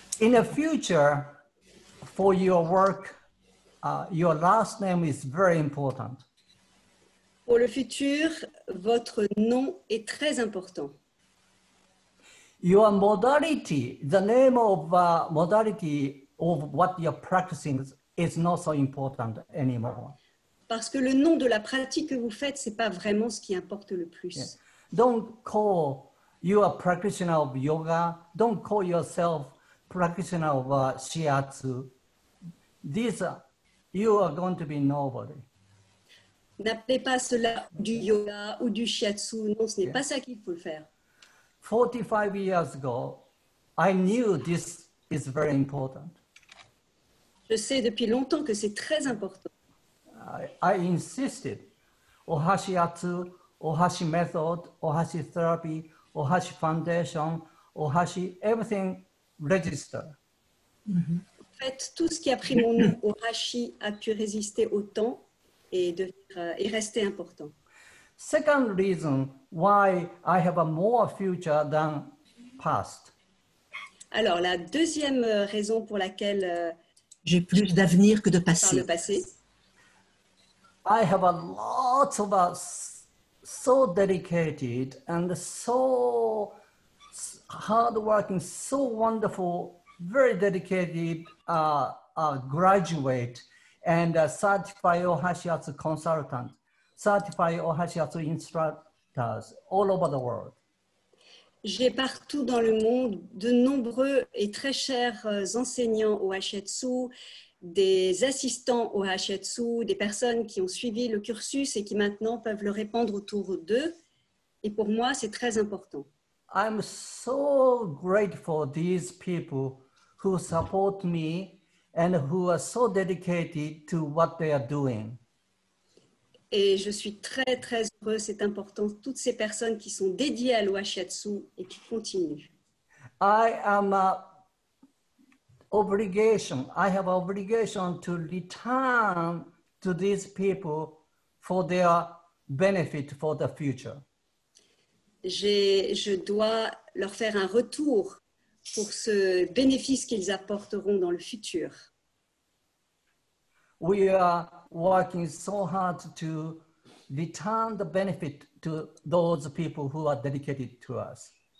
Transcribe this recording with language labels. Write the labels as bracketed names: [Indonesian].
[English] In the future, for your work, your last name is very important. [French] Pour le futur, votre nom est très important. [English] Your modality, the name of modality of what you're practicing is not so important anymore. [French] Parce que le nom de la pratique que vous faites, c'est pas vraiment ce qui importe le plus. [English] Yeah. Don't call you a practitioner of yoga. Don't call yourself practitioner of shiatsu. You are going to be nobody. [French] N'appelez pas cela du yoga ou du shiatsu. Non, ce n'est pas ça qu'il faut faire. [English] 45 years ago, I knew this is very important. [French] Je sais depuis longtemps que c'est très important. [English] I insisted. Ohashiatsu, Ohashi Method, Ohashi Therapy, Ohashi Foundation, Ohashi, everything register. Mm-hmm. [French] En fait, tout ce qui a pris mon nom, Ohashi, a pu résister au temps et rester important. [English] Second reason why I have a more future than past. [French] Alors, la deuxième raison pour laquelle j'ai plus d'avenir que de passé. Le passé. [English] I have a lot of so dedicated and so hardworking, so wonderful, very dedicated graduate and certified Ohashiatsu consultant, certified Ohashiatsu instructors all over the world. [French] J'ai partout dans le monde de nombreux et très chers enseignants au Ohashiatsu, des assistants au Ohashiatsu, des personnes qui ont suivi le cursus et qui maintenant peuvent le répandre autour d'eux. Et pour moi, c'est très important. [English] I'm so grateful to these people who support me and who are so dedicated to what they are doing. [French] Et je suis très, très heureux, c'est important, toutes ces personnes qui sont dédiées à l'Ohashiatsu et qui continuent. [English] I am a obligation. I have obligation to return to these people for their benefit for the future. [French] Je dois leur faire un retour pour ce bénéfice qu'ils apporteront dans le futur. [English] We are working so hard to return the benefit to those people who are dedicated to us.